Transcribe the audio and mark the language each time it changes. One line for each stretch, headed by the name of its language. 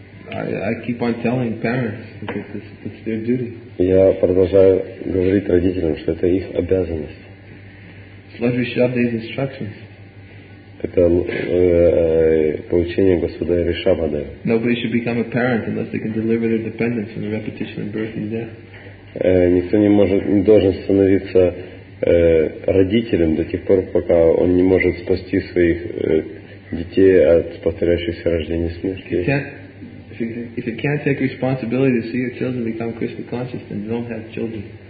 English: I keep on telling parents because it's their duty.
Russian: Я продолжаю говорить родителям, что это их обязанность.
English: Sledge Shabda's instructions.
Russian: Это поучение Господа Ришабады.
English: Nobody should become a parent unless they can deliver their dependents from the repetition of birth and death.
Russian: Никто не может, не должен становиться родителем до тех пор, пока он не может спасти своих детей от повторяющихся рождений и смерти.
English: If you can't take responsibility to see your children become Krishna conscious, then you don't have children.